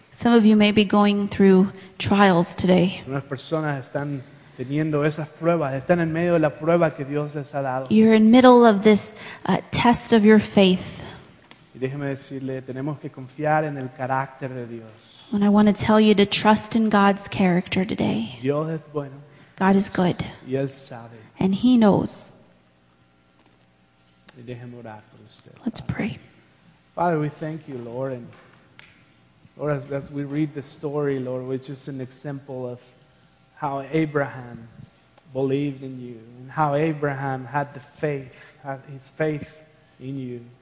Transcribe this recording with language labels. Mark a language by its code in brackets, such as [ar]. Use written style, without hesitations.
[en] Some of you may be going through trials today. [es] Algunas personas están teniendo esas pruebas, están en medio de la prueba que Dios les ha dado. [en] You're in middle of this test of your faith. [es] Y déjeme decirle, tenemos que confiar en el carácter de Dios. [en] And I want to tell you to trust in God's character today. [es] Dios es bueno. [en] God is good. [es] Y Él sabe. [en] And He knows. [es] Y déjeme orar por usted. [en] Let's pray. Father, we thank you, Lord, and Lord, as we read the story, Lord, which is an example of how Abraham believed in you, and how Abraham had the faith, had his faith in you.